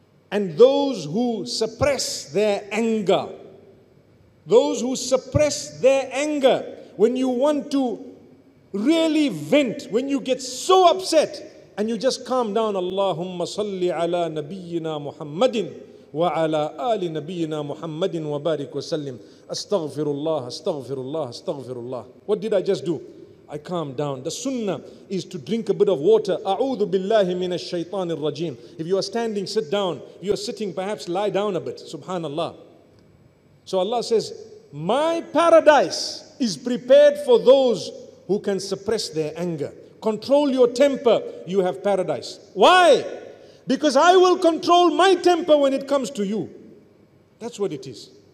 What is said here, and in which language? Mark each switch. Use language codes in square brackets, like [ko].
[en] And those who suppress their anger. Those who suppress their anger. When you want to really vent, when you get so upset and you just calm down, [ar] Allahumma salli ala nabiyyina Muhammadin وعلى آل نبينا محمد وبارك وسلم. أستغفر الله أستغفر الله أستغفر الله. [en] What did I just do? I calmed down. The sunnah is to drink a bit of water. [ar] أعوذ بالله من الشيطان الرجيم. [en] If you are standing, sit down. If you are sitting, perhaps lie down a bit. Subhanallah. So Allah says, my paradise is prepared for those who can suppress their anger. Control your temper, you have paradise. Why? Because I will control my temper when it comes to you. That's what it is.